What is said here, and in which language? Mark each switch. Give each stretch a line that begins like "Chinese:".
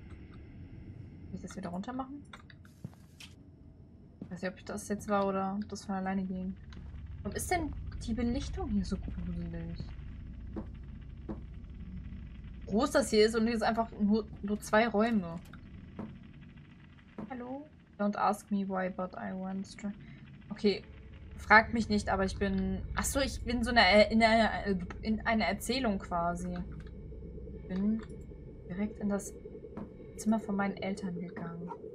German: Kann ich das wieder runter machen? Ich weiß nicht, ob das jetzt war oder ob das von alleine ging. Warum ist denn die Belichtung hier so gruselig? Groß das hier ist und hier ist einfach nur zwei Räume. Hallo?
English: Don't ask me why, but I went straight.
German: Okay, frag mich nicht, aber ich bin... Achso, ich bin so in einer Erzählung quasi. Ich bin direkt in das Zimmer von meinen Eltern gegangen.